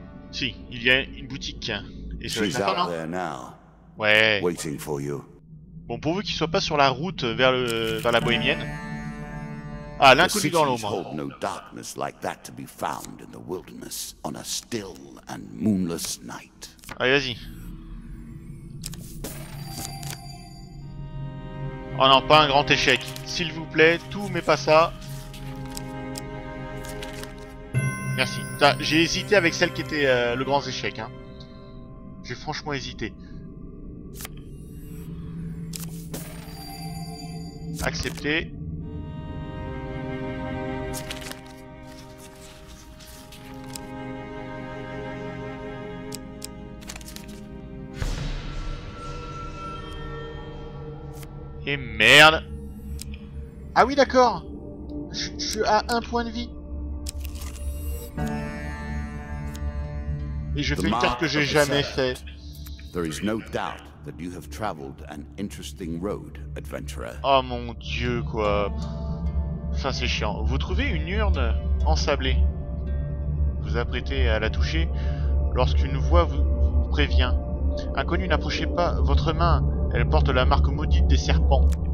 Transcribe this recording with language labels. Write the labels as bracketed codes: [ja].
[fr] Si, il y a une boutique. Et ça, c'est là-bas, non ? Ouais. [en] Waiting for you. [fr] Bon, pourvu qu'il soit pas sur la route vers la bohémienne. Ah, l'inconnu dans l'ombre. [en] The cities hold no darkness like that to be found in the wilderness on a still and moonless night. [fr] Allez, vas-y. Oh non, pas un grand échec. S'il vous plaît, tout, mais pas ça. Merci. J'ai hésité avec celle qui était le grand échec. Hein. J'ai franchement hésité. Accepté. Et merde! Ah oui, d'accord! Je suis à un point de vie! Et je fais une carte que j'ai jamais fait. [en] There is no doubt that you have traveled an interesting road, adventurer. [fr] Oh mon dieu, quoi! Ça, c'est chiant. Vous trouvez une urne ensablée. Vous apprêtez à la toucher lorsqu'une voix vous prévient. Inconnu, n'approchez pas votre main! Elle porte la marque maudite des serpents.